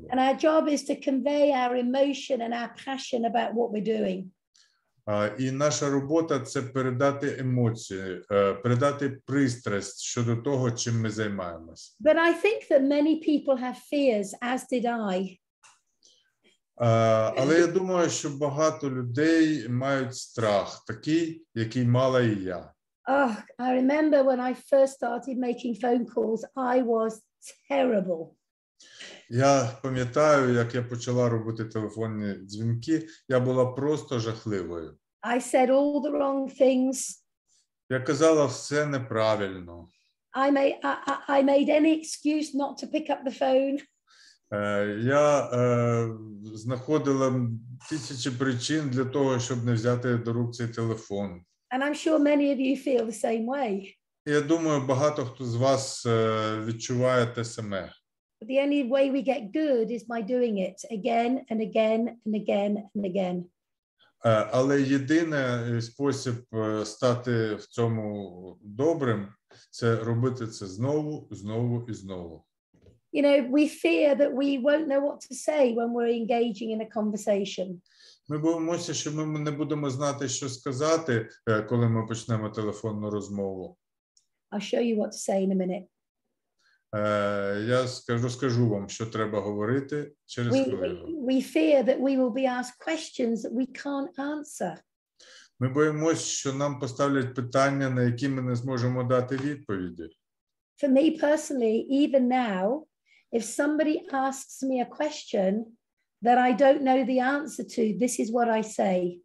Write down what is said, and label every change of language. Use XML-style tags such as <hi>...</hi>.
<en>And our job is to convey our emotion and our passion about what we're doing.</en> <uk>І наша робота – це передати емоції, передати пристрасть щодо того, чим ми займаємось.</uk> <en>But I think that many people have fears, as did I.</en> <uk>Але я думаю, що багато людей мають страх, такий, який мала і я.</uk> <en>Oh, I remember when I first started making phone calls, I was terrible.</en> <uk>Я пам'ятаю, як я почала робити телефонні дзвінки, я була просто жахливою.</uk> <en>I said all the wrong things.</en> <uk>Я казала все неправильно.</uk> <en>I made any excuse not to pick up the phone.</en> <uk>Я знаходила тисячі причин для того, щоб не взяти до рук цей телефон.</uk> <en>And I'm sure many of you feel the same way.</en> <uk>Я думаю, багато хто з вас відчуває те саме.</uk> <en>But the only way we get good is by doing it again and again and again and again.</en> <uk>Але єдиний спосіб стати в цьому добрим – це робити це знову, знову і знову.</uk> <en>You know, we fear that we won't know what to say when we're engaging in a conversation.</en> <uk>Ми боїмося, що ми не будемо знати, що сказати, коли ми почнемо телефонну розмову.</uk> <en>I'll show you what to say in a minute.</en> <uk>Я розкажу вам, що треба говорити через хвилину.</uk> <en>We fear that we will be asked questions that we can't answer.</en> <uk>Ми боїмося, що нам поставлять питання, на які ми не зможемо дати відповіді.</uk> <en>For me personally, even now, if somebody asks me a question that I don't know the answer to, this is what I say.</en>